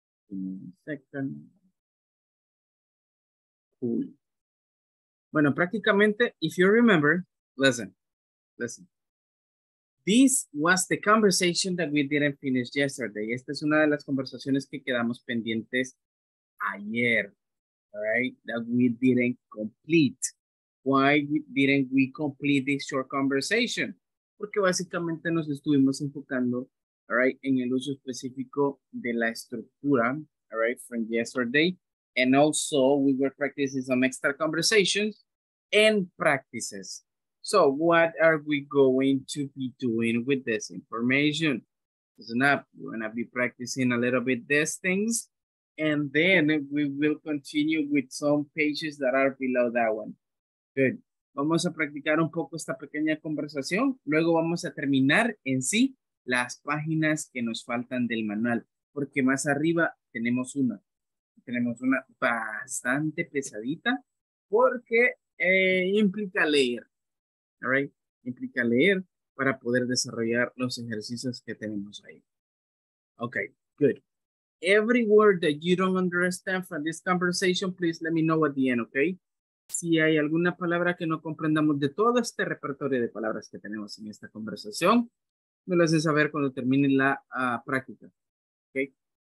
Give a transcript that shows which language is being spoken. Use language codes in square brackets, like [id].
[en] Give me a second. Cool. [es] Bueno, prácticamente, [en] if you remember, listen. This was the conversation that we didn't finish yesterday. [es] Esta es una de las conversaciones que quedamos pendientes ayer, right? [en] That we didn't complete. Why didn't we complete this short conversation? [es] Porque básicamente nos estuvimos enfocando, right, en el uso específico de la estructura, right, [en] from yesterday. And also we were practicing some extra conversations and practices. So what are we going to be doing with this information? Listen up, we're gonna be practicing a little bit these things, and then we will continue with some pages that are below that one. Good. [es] Vamos a practicar un poco esta pequeña conversación. Luego vamos a terminar en sí las páginas que nos faltan del manual, porque más arriba tenemos una bastante pesadita, porque implica leer. All right, implica leer para poder desarrollar los ejercicios que tenemos ahí. [en] Okay, good. Every word that you don't understand from this conversation, please let me know at the end, okay? [es] Si hay alguna palabra que no comprendamos de todo este repertorio de palabras que tenemos en esta conversación, me lo hacen saber cuando termine la práctica, okay?